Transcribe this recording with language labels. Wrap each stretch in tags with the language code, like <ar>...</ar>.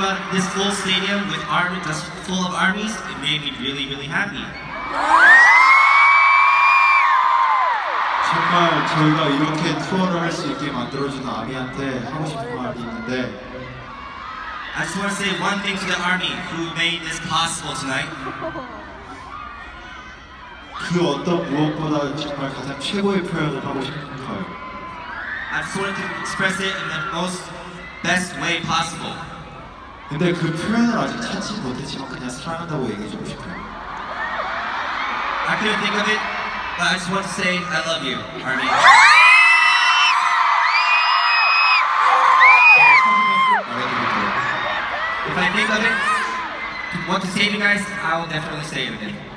<en>This full stadium with army, just full of armies, it made me really, really happy.</en> <ko>정말 저희가 이렇게 투어를 할 수 있게 만들어준 아미한테 하고 싶은 말이 있는데.</ko> <en>I just want to say one thing to the army who made this possible tonight.</en> <ko>그 어떤 무엇보다 정말 가장 최고의 표현을 하고 싶어요.</ko> <en>I just want to express it in the most best way possible.</en> <ko>근데 그 표현을 아직 찾지 못했지만 그냥 사랑한다고 얘기해주고 싶어요.</ko> <en>I couldn't think of it, but I just want to say I love you, Army.</en> <ko>말해드릴게요.</ko> <en>If I think of it, what to say to you guys, I will definitely say it again.</en>